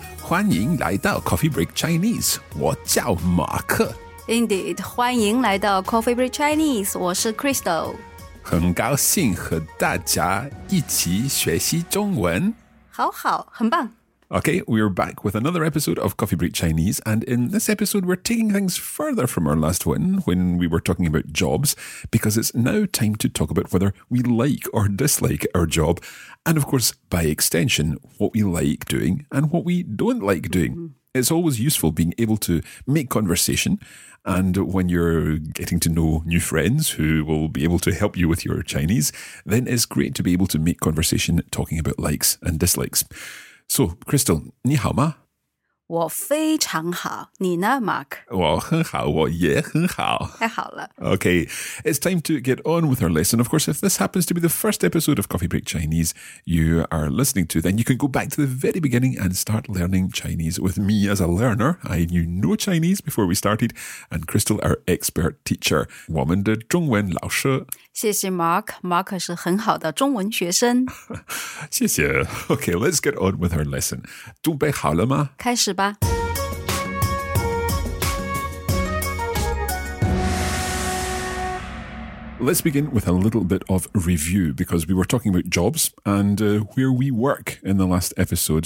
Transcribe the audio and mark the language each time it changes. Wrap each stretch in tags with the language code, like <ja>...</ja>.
<zh>欢迎来到 Coffee Break Chinese, 我叫马克。 Indeed, 欢迎来到 Coffee Break Chinese, 我是 Crystal。很高兴和大家一起学习中文。好好,很棒。</zh> <en>Okay, we're back with another episode of Coffee Break Chinese, and in this episode, we're taking things further from our last one, when we were talking about jobs, because it's now time to talk about whether we like or dislike our job, and of course, by extension, what we like doing and what we don't like doing. Mm-hmm. It's always useful being able to make conversation, and when you're getting to know new friends who will be able to help you with your Chinese, then it's great to be able to make conversation talking about likes and dislikes.</en> <zh>So, Crystal, 你好吗？我非常好。你呢, Mark? 我很好,我也很好。太好了。</zh> <en>Okay, it's time to get on with our lesson. Of course, if this happens to be the first episode of Coffee Break Chinese you are listening to, then you can go back to the very beginning and start learning Chinese with me as a learner. I knew no Chinese before we started, and Crystal, our expert teacher.</en> <zh>我们的中文老师。谢谢 Mark, Mark 是很好的中文学生。谢谢。</zh> <en>Okay, let's get on with our lesson.</en> <zh>准备好了吗? 开始。</zh> <en>Let's begin with a little bit of review, because we were talking about jobs and where we work in the last episode.</en>